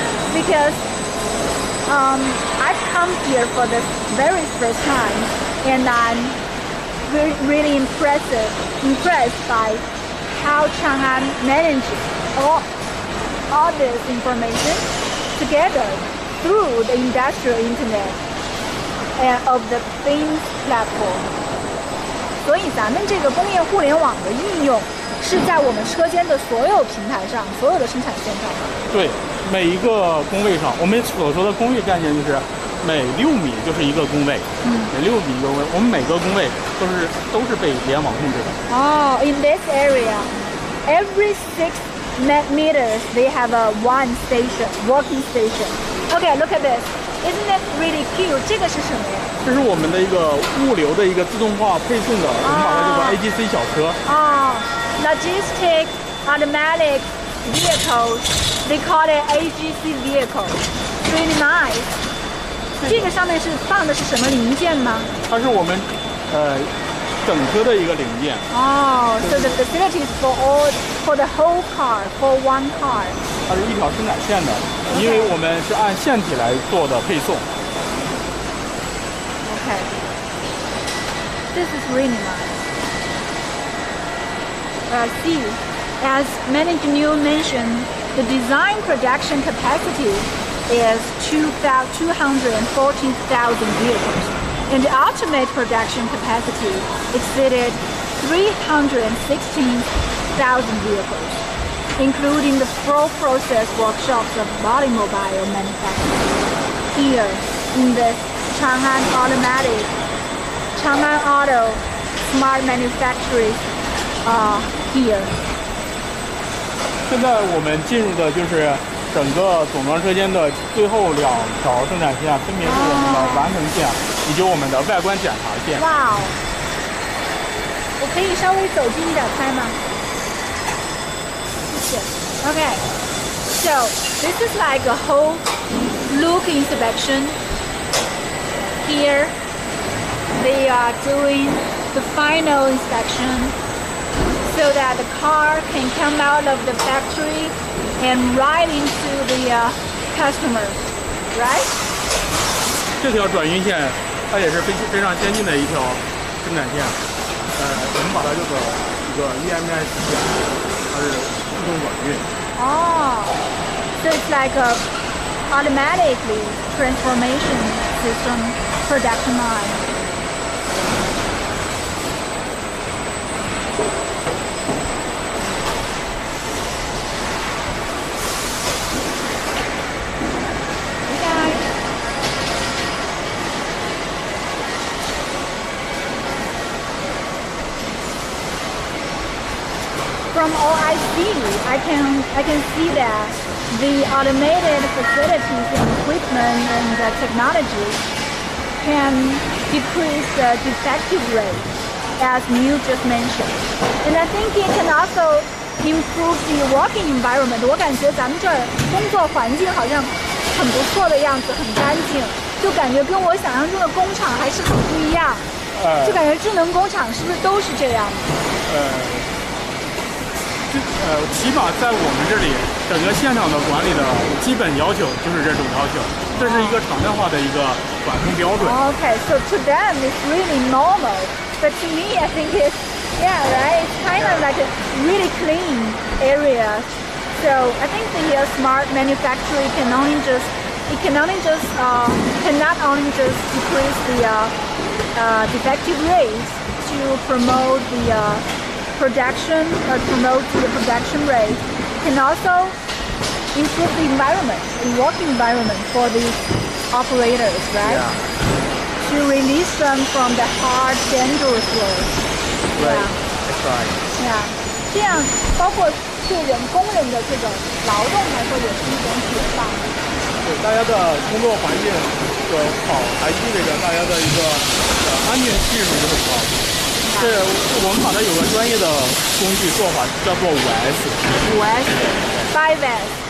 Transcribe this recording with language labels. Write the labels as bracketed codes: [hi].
[en] Because I've come here for the very first time, and I'm really impressed by how Chang'an manages all this information together through the industrial internet of the things platform. [zh] 所以咱们这个工业互联网的应用是在我们车间的所有平台上所有的生产线上对每一个工位上我们所说的工位概念就是每6米就是一个工位、嗯、每6米一个工位我们每个工位都是被联网控制的 [en] 哦、oh, In this area every 6 meters they have a one station working station Okay, look at thisIsn't that really cute? [zh] 这个是什么呀？这是我们的一个物流的一个自动化配送的，我们把它叫做 AGC 小车。 [en] 啊 ，Logistic Automatic Vehicles, they call it AGC vehicle. Really nice. [zh] 这个上面是放的是什么零件吗？它是我们整车的一个零件。 [en] 哦、so the facility is for all for the whole car, for one car. [zh] 它是一条生产线的，因为我们是按线体来做的配送。 [en] Okay. This is really nice. See, as many engineer mentioned, the design production capacity is 214,000 vehicles. And the ultimate production capacity exceeded 316,000 vehicles, including the full process workshops of automobile manufacturers. Here, in the Chang'an Automatic, Chang'an Auto Smart Manufacturing are here. [zh] 现在我们进入的就是整个总装车间的最后两条生产线，分别是我们的完成线。以及我们的外观检查线。哇、wow、我可以稍微走近一点拍吗？谢谢。 [en] OK, so this is like a whole look inspection. Here, they are doing the final inspection so that the car can come out of the factory and ride into the customer, right? [zh] 这条转运线它也是非常先进的一条生产线，我们把它叫做一个 EMS 线，它是自动转运。 [en] 哦、oh, so it's like a automatically transformation system production line. From all I see, I can see that the automated facilities and equipment and the technology can decrease the defective rate, as you just mentioned. And I think it can also improve the working environment. [zh] 我感觉咱们这儿工作环境好像很不错的样子，很干净，就感觉跟我想象中的工厂还是很不一样。就感觉智能工厂是不是都是这样？起码在我们这里整个现场的管理的基本要求就是这种要求，这是一个常态化的一个管控标准。 [en] OK, so to them it's really normal, but to me I think it's, yeah, right, it's kind of like a really clean area. So I think the smart manufacturing cannot only just decrease the defective rates to promote the production or promote the production rate, can also improve the environment, the working environment for the operators, right? To release them from the hard, dangerous work. Right. Yeah. That's right. Yeah. [zh] 这样包括对人工人的这个劳动来说也是一种解放。对大家的工作环境的好，还意味着大家的一个安全系数很高。是我们把它有个专业的工具做法叫做5S 5S 5S,